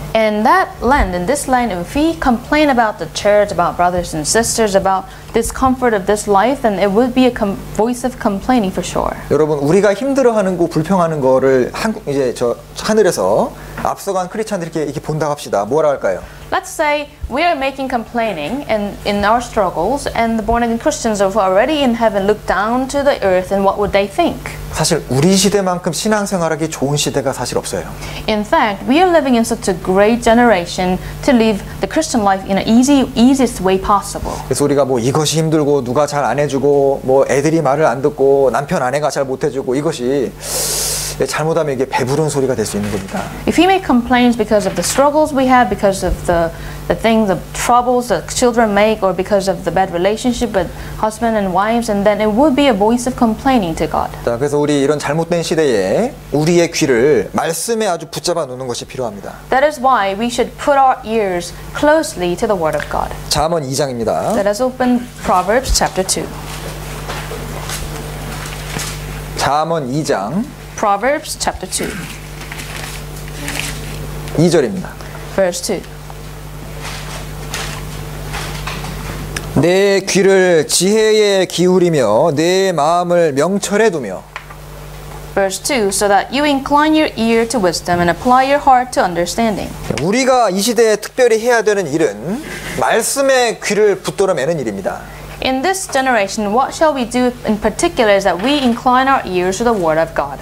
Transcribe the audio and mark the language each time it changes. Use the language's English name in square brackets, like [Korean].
[English] And that land, in this land, if we complain about the church, about brothers and sisters, about discomfort of this life, then it would be a voice of complaining for sure. [Korean] 여러분, 우리가 힘들어하는 거, 불평하는 거를 한국 이제 저 하늘에서 앞서간 크리스천들 이렇게 본다 합시다. 뭐라 할까요? [English] Let's say we are making complaining and in our struggles, and the born again Christians are already in heaven, look down to the earth, and what would they think? [Korean] 사실 우리 시대만큼 신앙생활하기 좋은 시대가 사실 없어요. [English] In fact, we are living in such a great generation to live the Christian life in an easiest way possible. [Korean] 그래서 우리가 뭐 이것이 힘들고 누가 잘 안 해주고 뭐 애들이 말을 안 듣고 남편 아내가 잘 못 해주고 이것이 잘못하면 이게 배부른 소리가 될 수 있는 겁니다. [English] If we make complaints because of the struggles we have, because of the things, the troubles that children make, or because of the bad relationship with husband and wives, and then it would be a voice of complaining to God. [Korean] 자, 그래서 우리 이런 잘못된 시대에 우리의 귀를 말씀에 아주 붙잡아 놓는 것이 필요합니다. [English] That is why we should put our ears closely to the word of God. [Korean] 잠언 2장입니다. [English] Let us open Proverbs chapter 2. [Korean] 잠언 2장. [English] Proverbs chapter 2. [Korean] 2절입니다. [English] Verse 2. [Korean] 내 귀를 지혜에 기울이며 내 마음을 명철에 두며. [English] Verse 2. So that you incline your ear to wisdom and apply your heart to understanding. [Korean] 우리가 이 시대에 특별히 해야 되는 일은 말씀에 귀를 붙들어 매는 일입니다. [English] In this generation, what shall we do in particular is that we incline our ears to the word of God.